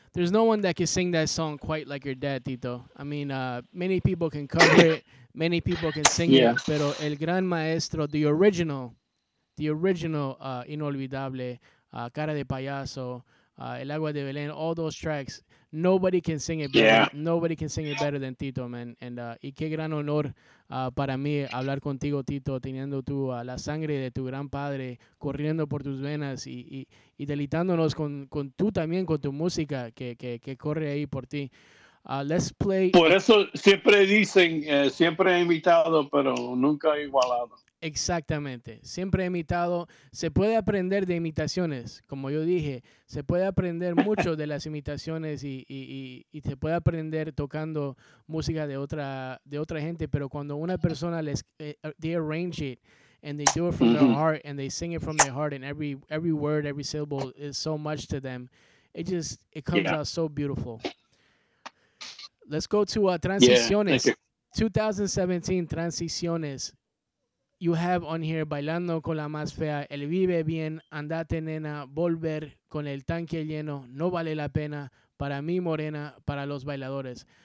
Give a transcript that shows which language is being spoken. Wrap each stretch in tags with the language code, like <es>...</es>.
<en>There's no one that can sing that song quite like your dad, Tito. I mean, many people can cover it, many people can sing it,</en> <es>pero el gran maestro,</es> <en>the original. The original Inolvidable, Cara de Payaso, El Agua de Belén, all those tracks. Nobody can sing it better. Yeah. Nobody can sing it better than Tito, man. And</en> <es>y qué gran honor para mí hablar contigo, Tito, teniendo tu la sangre de tu gran padre corriendo por tus venas y deleitándonos con tú también, con tu música que corre ahí por ti.</es> <en>Let's play.</en> <es>Por eso siempre dicen, siempre he imitado, pero nunca he igualado. Exactamente. Siempre he imitado. Se puede aprender de imitaciones, como yo dije. Se puede aprender mucho de las imitaciones y se puede aprender tocando música de otra gente. Pero cuando una persona les</es> <en>they arrange it and they do it from their heart and they sing it from their heart and every word, every syllable is so much to them. It comes out so beautiful. Let's go to Transiciones. Yeah, 2017 Transiciones. You have on here Bailando con la más fea, El Vive Bien, Andate Nena, Volver con el Tanque Lleno, No Vale la Pena, Para Mí Morena, Para los Bailadores.</en>